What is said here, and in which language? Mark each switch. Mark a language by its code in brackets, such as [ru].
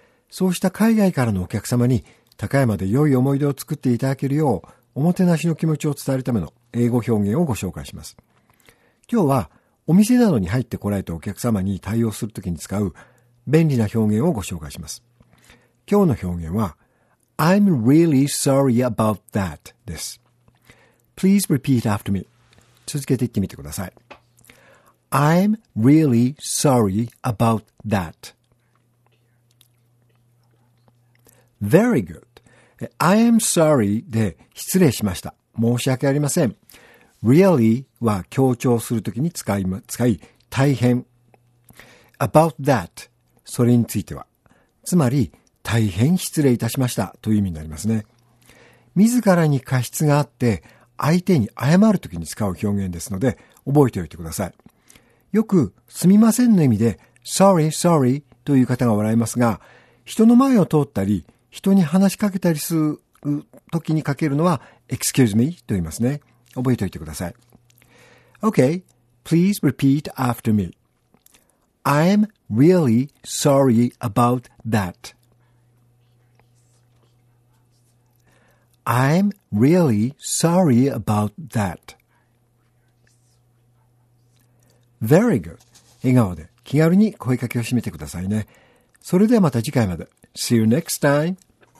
[ja] そうした海外からのお客様に高山で良い思い出を作っていただけるよう、おもてなしの気持ちを伝えるための英語表現をご紹介します。今日はお店などに入ってこられたお客様に対応するときに使う便利な表現をご紹介します。今日の表現は、 [en] I'm really sorry about that [ja] です。 [en] Please repeat after me. [ja] 続けて言ってみてください。 [en] I'm really sorry about that. Very good. I am sorry [ja] で失礼しました。申し訳ありません。 Really は強調するときに使い、大変。 [en] About that [ja] それについては。つまり、大変失礼いたしましたという意味になりますね。自らに過失があって相手に謝るときに使う表現ですので覚えておいてください。よくすみませんの意味で sorry, sorry という方が笑いますが、人の前を通ったり人に話しかけたりするときにかけるのは excuse me と言いますね。覚えておいてください。 [en] Okay, please repeat after me. I'm really sorry about that. I'm really sorry about that. Very good. [ja] 笑顔で気軽に声かけをしてみてくださいね。それではまた次回まで。 [en] See you next time.